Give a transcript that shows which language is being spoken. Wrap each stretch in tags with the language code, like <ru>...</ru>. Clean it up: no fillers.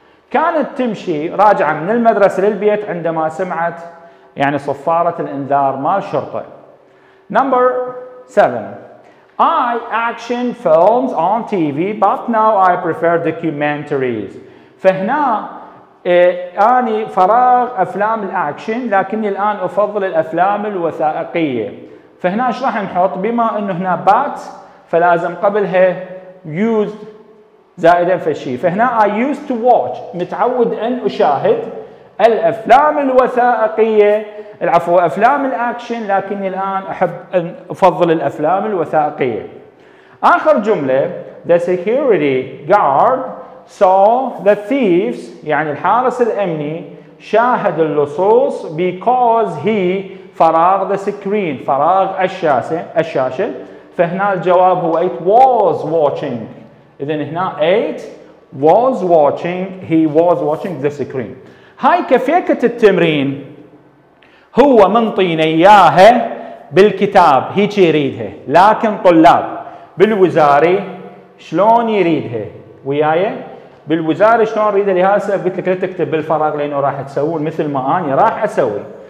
<ar>كانت تمشي راجعة من المدرسة للبيت عندما سمعت يعني صفارة الإنذار مال شرطة.</ar> <en>Number seven. I action films on TV, but now I prefer documentaries.</en> <ar>فهنا أني فراغ أفلام الأكشن لكني الآن أفضل الأفلام الوثائقية. فهنا إيش راح نحط؟ بما إنه هنا but فلازم قبلها used زائدا في الشيء. فهنا</ar> <en>I used to watch</en> <ar>متعود أن أشاهد الأفلام الوثائقية العفو أفلام الأكشن لكني الآن أحب أن أفضل الأفلام الوثائقية. آخر جملة</ar> <en>The security guard saw the thieves</en> <ar>يعني الحارس الأمني شاهد اللصوص</ar> <en>because he</en> <ar>فراغ the screen فراغ الشاشة. فهنا الجواب هو</ar> <en>it was watching. إذن هنا 8 was watching he was watching the screen.</en> <ar>هاي كفيكة التمرين هو منطيني إياها بالكتاب هيك يريدها لكن طلاب بالوزاري شلون يريدها وياي بالوزاري شلون يريدها لهذا السبب قلت لك لا تكتب بالفراغ لأنه راح تسوون مثل ما أنا راح أسوي.</ar>